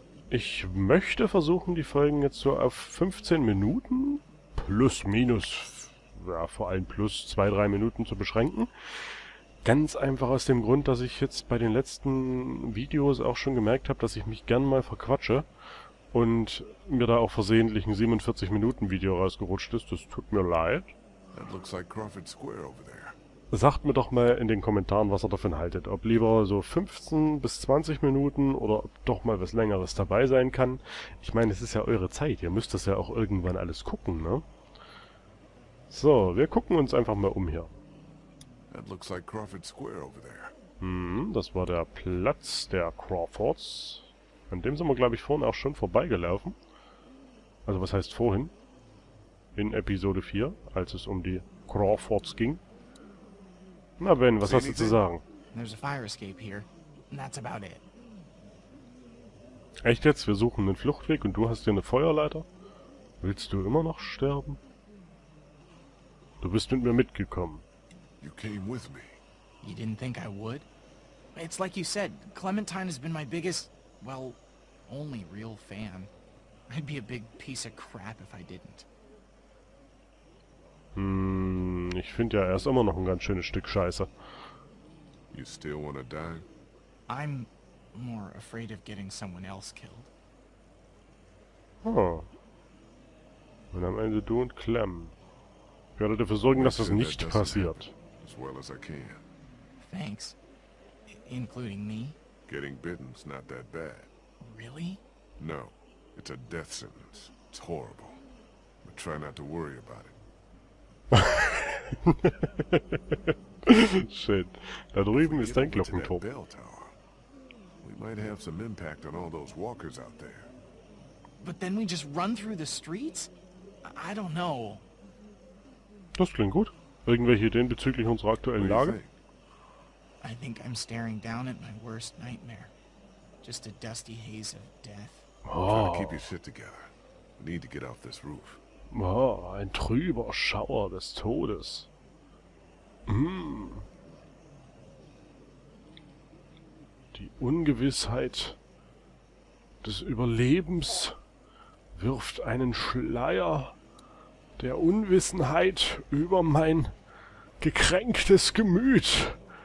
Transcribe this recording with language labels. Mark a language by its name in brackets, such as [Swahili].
[German] Ich möchte versuchen, die Folgen jetzt so auf 15 Minuten plus minus, ja, vor allem plus 2-3 Minuten zu beschränken. Ganz einfach aus dem Grund, dass ich jetzt bei den letzten Videos auch schon gemerkt habe, dass ich mich gern mal verquatsche und mir da auch versehentlich ein 47-Minuten-Video rausgerutscht ist. Das tut mir leid. [English] That looks like Crawford Square over there. [German] Sagt mir doch mal in den Kommentaren, was ihr davon haltet. Ob lieber so 15 bis 20 Minuten oder ob doch mal was Längeres dabei sein kann. Ich meine, es ist ja eure Zeit. Ihr müsst das ja auch irgendwann alles gucken, ne? So, wir gucken uns einfach mal um hier. [English] That looks like Crawford Square over there. [German] Das war der Platz der Crawfords. An dem sind wir, glaube ich, vorhin auch schon vorbeigelaufen. Also, was heißt vorhin? In Episode 4, als es um die Crawfords ging. Na, Ben, was hast du zu sagen? [English] There's a fire escape here. And that's about it. [German] Echt jetzt? Wir suchen einen Fluchtweg und du hast hier eine Feuerleiter? Willst du immer noch sterben? Du bist mit mir mitgekommen. [English] You came with me. You didn't think I would? It's like you said, Clementine has been my biggest, well, only real fan. I'd be a big piece of crap if I didn't. [German] Ich finde ja, er ist immer noch ein ganz schönes Stück Scheiße. [English] You still wanna die? I'm more afraid of getting someone else killed. [German] Oh. Und am Ende du und Clem. Ich werde dafür sorgen, dass das nicht passiert. [English] As well as I can. Thanks. Including me. Getting bitten's not that bad. Really? No. It's a death sentence. It's horrible. But try not to worry about it. Shit. [German] Da drüben ist dein Glockenturm. [English] We might have some impact on all those walkers out there. But then we just run through the streets? I don't know. [German] Das klingt gut. Irgendwelche Ideen bezüglich unserer aktuellen Lage? [English] I think I'm staring down at my worst nightmare. Just a dusty haze of death. Oh. Try to keep your shit together. We need to get off this roof. [German] Oh, ein trüber Schauer des Todes. Die Ungewissheit des Überlebens wirft einen Schleier der Unwissenheit über mein gekränktes Gemüt.